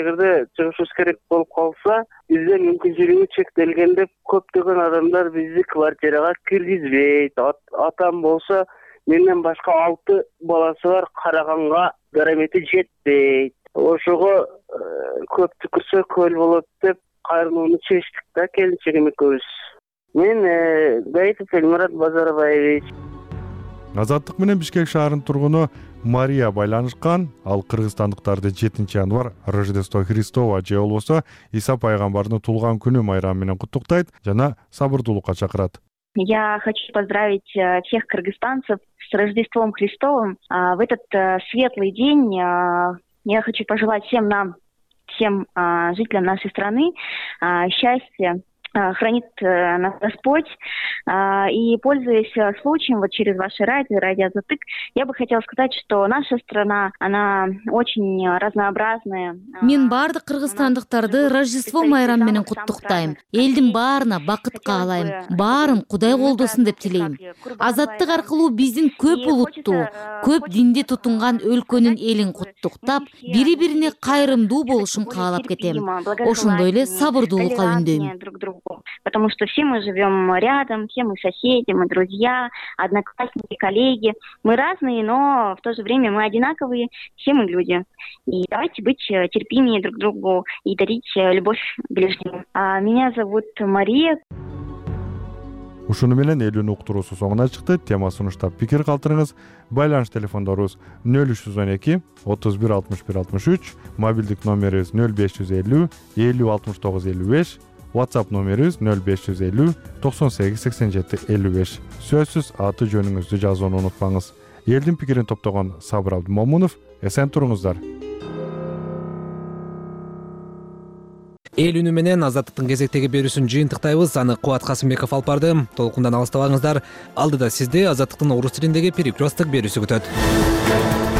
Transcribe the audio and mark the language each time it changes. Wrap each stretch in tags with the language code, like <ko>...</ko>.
<ky>Эгерде чыгышыбыз керек болуп калса, бизде мүмкүнчүлүгү чектелген деп көптөгөн адамдар бизди квартирага киргизбейт. Атам болсо менден башка 6 баласы бар, караганга дарамети жетпейт. Ошого көп түкүрсө көл болот деп кайрылууну чечтик да келинчегим экөөбүз. Мен Гайытов Элмурат Базарбаевич. Азаттык менен Бишкек шаарынын тургуну Мария байланышкан. Ал кыргызстандыктарды 7-январ Рождество Христово же болбосо Иса пайгамбардын туулган күнү майрамы менен куттуктайт жана сабырдуулукка чакырат.</ky> <ru>Я хочу поздравить всех кыргызстанцев с Рождеством Христовым. В этот светлый день я хочу пожелать всем нам, всем жителям нашей страны счастья. Хранит нас Господь. И пользуясь случаем, вот через ваше радио, радио Затык, я бы хотела сказать, что наша страна, она очень разнообразная.</ru> <ky>Мен бардык кыргызстандыктарды Рождество майрамы менен куттуктайм. Элдин баарына бакыт каалайм. Баарын Кудай колдосун деп тилейм. Азаттык аркылуу биздин көп улуттуу, көп динди тутунган өлкөнүн элин куттуктап, бири-бирине кайрымдуу болушун каалап кетем. Ошондой эле сабырдуулукка үндөйм.</ky> <ru>Потому что все мы живем рядом, все мы соседи, мы друзья, одноклассники, коллеги. Мы разные, но в то же время мы одинаковые, все мы люди. И давайте быть терпимее друг к другу и дарить любовь ближнему. А меня зовут Мария.</ru> <ky>Ушуну менен элүүн уктуруусу соңуна чыкты. Тема сунуштап пикир калтырыңыз. Байланыш телефондорубуз 0312-31-61-63, мобилдик номерибиз 0550-50-69-55, WhatsApp номерибиз 0550-98-87-55. Сөзсүз аты жөнүңүздү жазууну унутпаңыз. Элдин пикирин топтогон Сабыр Абдымомунов, эсен туруңуздар. Эл үнү менен Азаттыктын кезектеги берүүсүн жыйынтыктайбыз. Аны Кубат Касымбеков алып барды. Толкундан алыстабаңыздар. Алдыда сизди Азаттыктын орус тилиндеги перекрёсток берүүсү күтөт.</ky>